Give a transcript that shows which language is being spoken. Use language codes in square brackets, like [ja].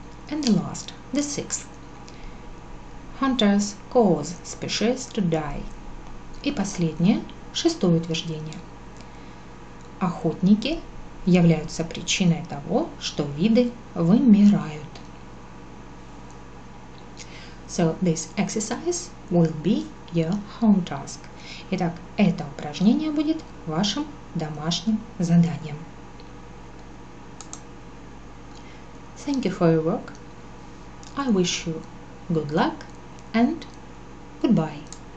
[en] And the last, the sixth. Hunters cause species to die. [ru] И последнее, шестое утверждение. Охотники являются причиной того, что виды вымирают. [en] So this exercise will be your home task. [ru] Итак, это упражнение будет вашим домашним заданием. [en] Thank you for your work. I wish you good luck and goodbye.